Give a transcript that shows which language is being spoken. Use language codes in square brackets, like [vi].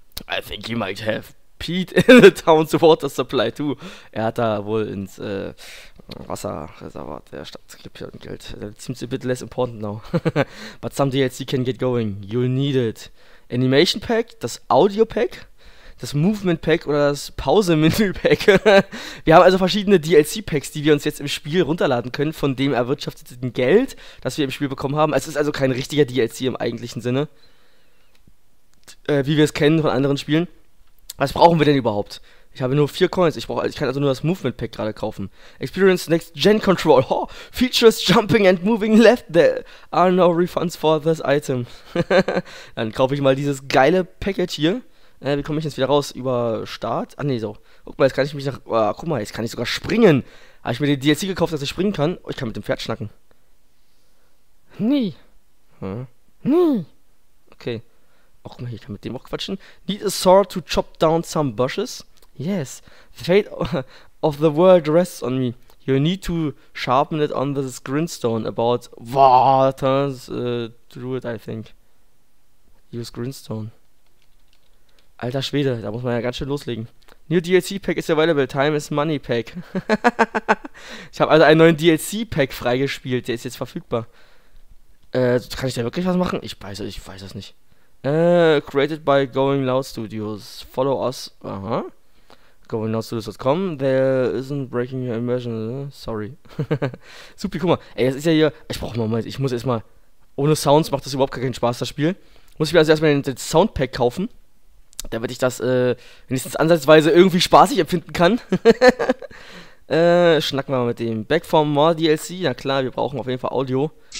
[en] I think he might have peed in the town's water supply too. [de] Er hat da wohl ins Wasserreservat der Stadt gekippt und Geld. [en] That seems a bit less important now. But some DLC can get going. You'll need it. [de] Animation Pack, das Audio Pack, das Movement Pack oder das Pause-Menü Pack. Wir haben also verschiedene DLC Packs, die wir uns jetzt im Spiel runterladen können von dem erwirtschafteten Geld, das wir im Spiel bekommen haben. Es ist also kein richtiger DLC im eigentlichen Sinne, wie wir es kennen von anderen Spielen. Was brauchen wir denn überhaupt? Ich habe nur 4 Coins, ich kann also nur das Movement Pack gerade kaufen. [en] Experience Next Gen Control. Oh, features Jumping and Moving Left. There are no refunds for this item. [de] Dann kaufe ich mal dieses geile Package hier. Wie komme ich jetzt wieder raus? Über Start? Ah ne, so. Guck mal, jetzt kann ich mich nach. Oh, guck mal, jetzt kann ich sogar springen. Habe ich mir den DLC gekauft, dass ich springen kann? Oh, ich kann mit dem Pferd schnacken. Nee. Hm? Nee. Okay. Oh, guck mal, ich kann mit dem auch quatschen. [en] Need a sword to chop down some bushes. Yes, the fate of the world rests on me. You need to sharpen it on this grindstone about waters through it, I think. Use grindstone. [de] Alter Schwede, da muss man ja ganz schön loslegen. [en] New DLC Pack is available, time is money pack. [de] Ich habe also einen neuen DLC Pack freigespielt, der ist jetzt verfügbar. Kann ich da wirklich was machen? Ich weiß es nicht. [en] Created by Going Loud Studios. Follow us. [de] Aha. [en] GoingLoudStudios.com, there isn't breaking your immersion, sorry. [de] Supi, guck mal, ey, das ist ja hier, ich muss erstmal, ohne Sounds macht das überhaupt keinen Spaß, das Spiel. Muss ich mir also erstmal den Soundpack kaufen, damit ich das, wenigstens ansatzweise irgendwie spaßig empfinden kann. schnacken wir mal mit dem Back for More DLC, na klar, wir brauchen auf jeden Fall Audio.